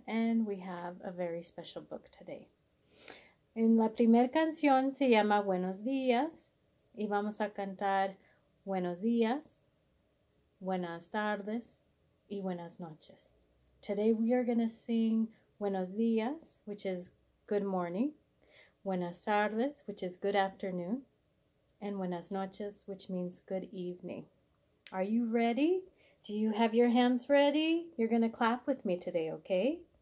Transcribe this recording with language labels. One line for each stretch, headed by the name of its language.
English: And we have a very special book today.
Spanish: En la primera canción se llama Buenos Días. Y vamos a cantar buenos días, buenas tardes, y buenas noches.
English: Today we are going to sing
Spanish: buenos días,
English: which is good morning,
Spanish: buenas tardes,
English: which is good afternoon, and
Spanish: buenas noches,
English: which means good evening. Are you ready? Do you have your hands ready? You're going to clap with me today, okay?